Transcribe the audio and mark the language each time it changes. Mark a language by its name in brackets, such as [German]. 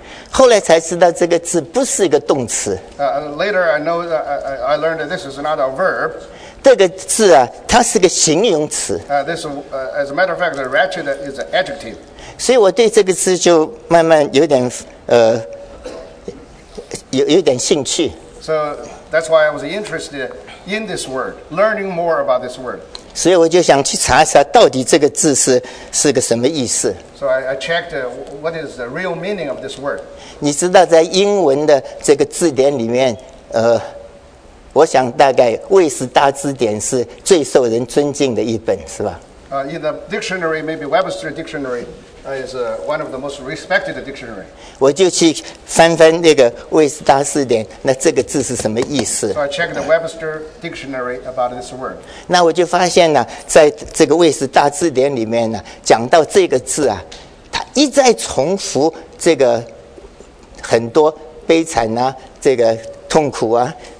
[Chinese] 后来才知道这个字不是一个动词。 [English] Later I know I learned that this is not a verb. [Chinese] 这个字啊，它是个形容词。 [English] This, as a matter of fact, the wretched is an adjective. [Chinese] 所以我对这个字就慢慢有点有点兴趣。 [English] So that's why I was interested in this word, learning more about this word. [Chinese] 所以我就想去查一查到底这个字是个什么意思。 [English] So I checked what is the real meaning of this word. [Chinese] 你知道在英文的这个字典里面，我想大概《卫斯大字典》是最受人尊敬的一本，是吧？ [English] In the dictionary, maybe Webster Dictionary is one of the most respected dictionary. [Chinese] 我就去翻翻那个《卫斯大字典》，那这个字是什么意思 [English] ？So I checked the Webster Dictionary about this word. [Chinese] 那我就发现呢，在这个《卫斯大字典》里面呢，讲到这个字啊，它一再重复这个很多悲惨啊，这个痛苦啊。